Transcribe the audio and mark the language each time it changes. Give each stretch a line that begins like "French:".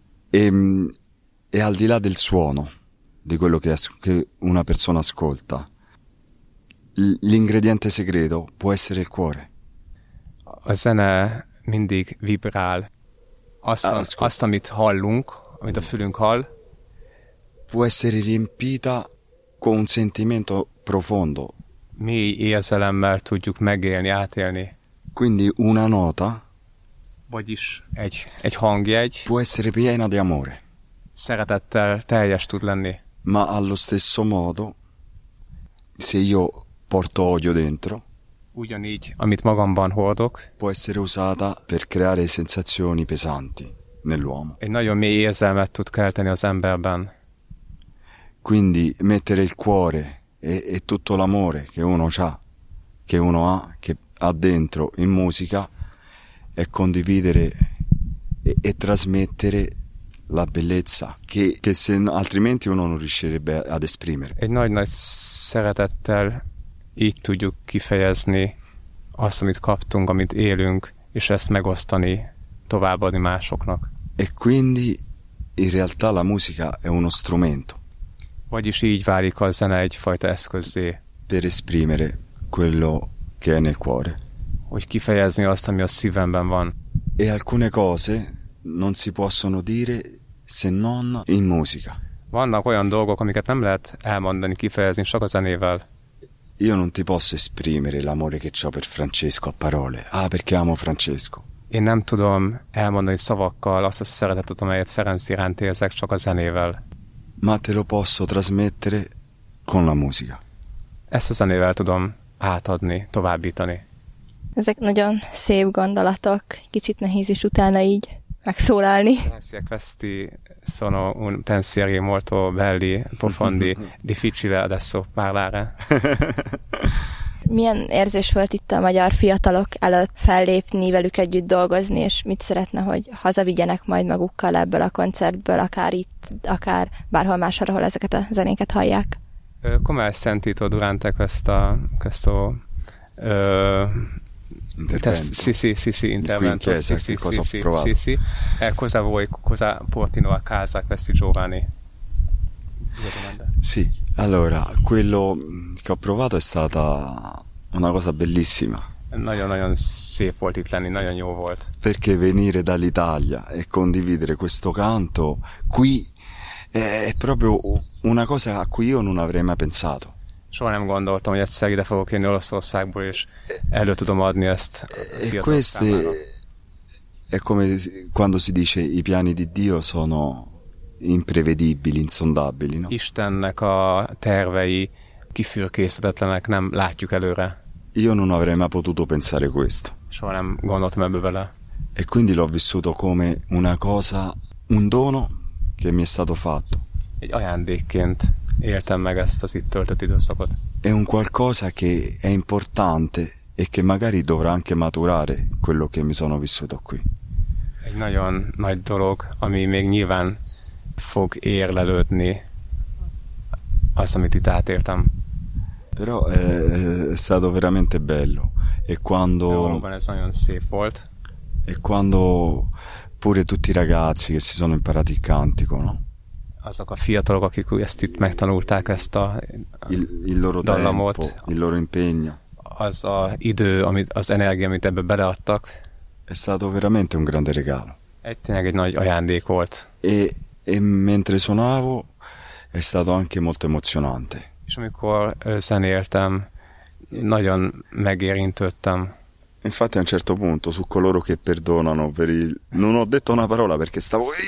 Italian: E al di là del suono, di quello che una persona ascolta, l'ingrediente segreto può essere il cuore.
Hungarian: A zene mindig vibrál. Azt, amit hallunk, amit a fülünk hall,
Italian: può essere riempita con un sentimento profondo.
Hungarian: Mély érzelemmel tudjuk megélni, átélni.
Italian: Quindi una nota,
Hungarian: vagyis egy hangjegy,
Italian: può essere piena di amore.
Hungarian: Szeretettel teljes tud lenni.
Italian: Ma allo stesso modo, se io porto odio dentro,
Hungarian: ugyanígy, amit magamban hordok,
Italian: può essere usata per creare sensazioni pesanti nell'uomo.
Hungarian: Egy nagyon mély érzelmet tud kelteni az emberben.
Italian: Quindi mettere il cuore e tutto l'amore che uno c'ha, che uno ha, che ha dentro in musica, è condividere e trasmettere la bellezza che se, altrimenti uno non riuscirebbe ad esprimere.
Hungarian: Egy nagy-nagy szeretettel így tudjuk kifejezni azt, amit kaptunk, amit élünk, és ezt megosztani, továbbadni másoknak.
Italian: E quindi in realtà la musica è uno strumento.
Hungarian: Vagyis így válik a zene egyfajta eszközzé.
Italian: Per esprimere quello che è nel cuore.
Hungarian: Hogy kifejezni azt, ami a szívemben van.
Italian: E alcune cose non si possono dire se non in musica.
Hungarian: Vannak olyan dolgok, amiket nem lehet elmondani, kifejezni, csak a zenével.
Italian: Io non ti posso esprimere l'amore che c'ho per Francesco a parole. Ah, perché amo Francesco.
Hungarian: Én nem tudom elmondani szavakkal azt a szeretetet, amelyet Ferenc iránt érzek, csak a zenével.
Italian: Ma te lo posso trasmettere con la musica.
Hungarian: Ezt a zenével tudom átadni, továbbítani. Ezek nagyon szép gondolatok, kicsit nehéz is utána így megszólalni.
Italian: Grazie questi sono un pensieri molto belli, profondi, difficile adesso parlare.
Hungarian: Milyen érzés volt itt a magyar fiatalok előtt fellépni, velük együtt dolgozni, és mit szeretne, hogy hazavigyenek majd magukkal ebből a koncertből, akár itt, akár bárhol máshol, ahol ezeket a zenéket hallják?
Italian: Come hai sentito durante questo intervento? Sì, intervento. Sì. Cosa vuoi, cosa portino a casa questi giovani? Sì, allora, quello che ho provato è stata una cosa bellissima.
Hungarian: Nagyon-nagyon szép volt itt lenni, nagyon jó volt.
Italian: Perché venire dall'Italia e condividere questo canto qui è proprio una cosa a cui io non avrei mai pensato.
Hungarian: Soha nem gondoltam, hogy egyszer ide fogok jönni Olaszországból, és elő tudom adni ezt a fiatal számára.
Italian: È come quando si dice i piani di Dio sono imprevedibili, insondabili, no?
Hungarian: Istennek a tervei kifürkészhetetlenek, nem látjuk előre.
Italian: Io non avrei mai potuto pensare questo.
Hungarian: Soha nem gondoltam ebbe bele.
Italian: E quindi l'ho vissuto come una cosa, un dono che mi è stato fatto.
Hungarian: Egy ajándékként éltem meg ezt az itt töltött időszakot.
Italian: È un qualcosa che è importante e che magari dovrà anche maturare quello che mi sono vissuto qui.
Hungarian: Egy nagyon nagy dolog, ami még nyilván fog érlelődni, az, amit itt átértem.
Italian: Però è stato veramente bello. E quando...
Hungarian: Valóban ez nagyon szép volt.
Italian: E quando pure tutti i ragazzi che si sono imparati il cantico, no?
Hungarian: Azok a fiatalok, akik ezt itt megtanulták, ezt a
Italian: il loro
Hungarian: dallamot,
Italian: tempo, il loro impegno.
Hungarian: Az a idő, amit, az energia, amit ebbe beleadtak.
Italian: È stato veramente un grande regalo.
Hungarian: Egy nagy ajándék volt.
Italian: E mentre suonavo è stato anche molto emozionante.
Hungarian: És amikor zenéltem, nagyon megérintődtem.
Italian: Infatti a un certo punto su coloro che perdonano per il non ho detto una parola perché stavo